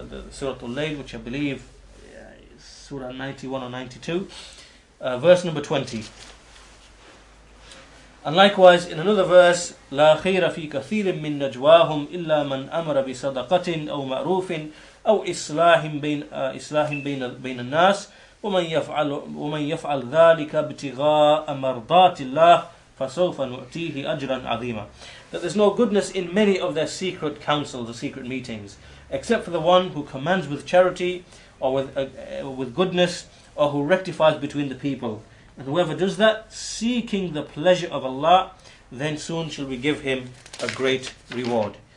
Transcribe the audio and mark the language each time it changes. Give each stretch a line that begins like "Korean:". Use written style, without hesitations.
English: Surah Al-Layl, which I believe is Surah 91 or 92, verse number 20.
Arabic: And likewise in another verse, لا خير في كثير من نجواهم إلا من أمر بصدقة أو معروف أو إصلاح بين الناس ومن يفعل ذلك ابتغاء مرضات الله فسوف نؤتيه أجرا عظيما.
English: That there's no goodness in many of their secret councils or secret meetings, except for the one who commands with charity or with goodness, or who rectifies between the people. And whoever does that, seeking the pleasure of Allah, then soon shall we give him a great reward.